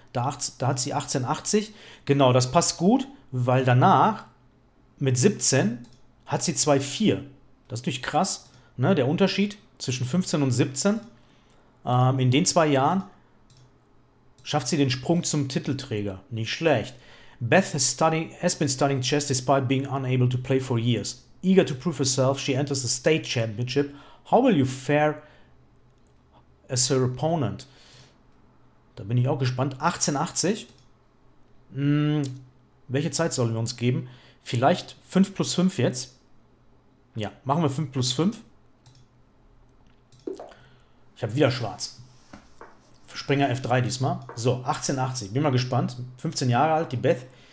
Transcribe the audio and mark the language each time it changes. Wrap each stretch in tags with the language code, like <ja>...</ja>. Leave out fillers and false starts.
<de>Da hat sie 1880. Genau, das passt gut, weil danach mit 17 hat sie 2-4. Das ist natürlich krass, ne? Der Unterschied zwischen 15 und 17. In den 2 Jahren schafft sie den Sprung zum Titelträger. Nicht schlecht.</de> <en>Beth has been studying chess despite being unable to play for years. Eager to prove herself, she enters the state championship. How will you fare as her opponent?</en> <de>Da bin ich auch gespannt. 1880. Welche Zeit sollen wir uns geben? Vielleicht 5 plus 5 jetzt. Ja, machen wir 5 plus 5. Ich habe wieder schwarz. Springer F3 diesmal. So, 1880. Bin mal gespannt. 15 Jahre alt, die Beth.</de>